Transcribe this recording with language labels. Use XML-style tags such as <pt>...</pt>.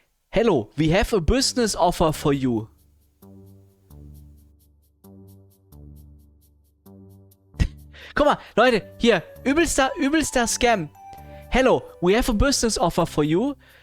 <en>Hello, we have a business offer for you.</en> <de>Guck mal, Leute, hier, übelster Scam.</de> <en>Hello, we have a business offer for you.</en>